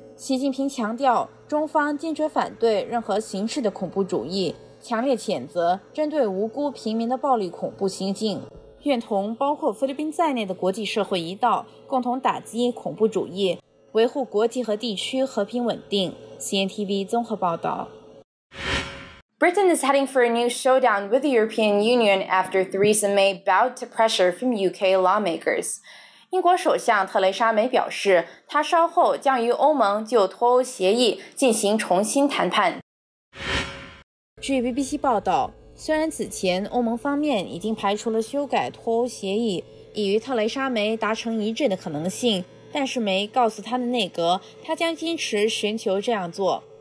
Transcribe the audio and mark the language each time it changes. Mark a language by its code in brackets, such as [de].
[zh] 习近平强调，中方坚决反对任何形式的恐怖主义，强烈谴责针对无辜平民的暴力恐怖行径，愿同包括菲律宾在内的国际社会一道，共同打击恐怖主义，维护国际和地区和平稳定。 CNTV 综合报道。 [en] Britain is heading for a new showdown with the European Union after Theresa May bowed to pressure from UK lawmakers. [zh] 英国首相特蕾莎梅表示，她稍后将与欧盟就脱欧协议进行重新谈判。据 BBC 报道，虽然此前欧盟方面已经排除了修改脱欧协议已与特蕾莎梅达成一致的可能性，但是梅告诉他的内阁，他将坚持寻求这样做。